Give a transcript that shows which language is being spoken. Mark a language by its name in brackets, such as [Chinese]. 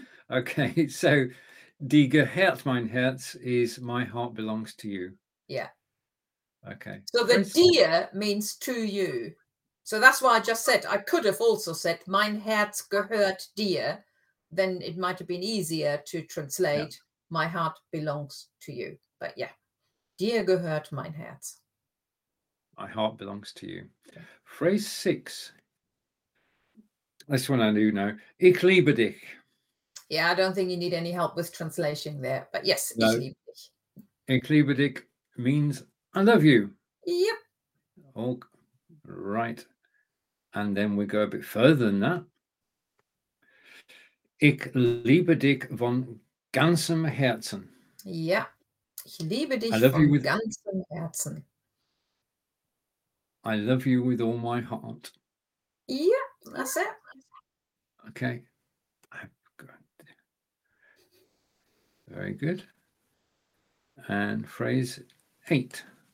[English] Okay, so [German] die gehört mein Herz [English] is my heart belongs to you. Yeah. Okay. So the dir means to you. So that's why I just said, I could have also said [German] mein Herz gehört dir. [English] Then it might have been easier to translate my heart belongs to you. But yeah, [German] dir gehört mein Herz. [English] My heart belongs to you. Okay. Phrase six. This one I do know. [German] Ich liebe dich. [English] Yeah, I don't think you need any help with translation there. But yes, [German] no. Ich liebe dich. Ich liebe dich [English] means I love you. Yep. All right. And then we go a bit further than that. [German] Ich liebe dich von ganzem Herzen. [English] Yeah. [German] Ich liebe dich von ganzem Herzen. [English] I love you with all my heart. Yeah, that's it. Okay. Very good. And phrase eight.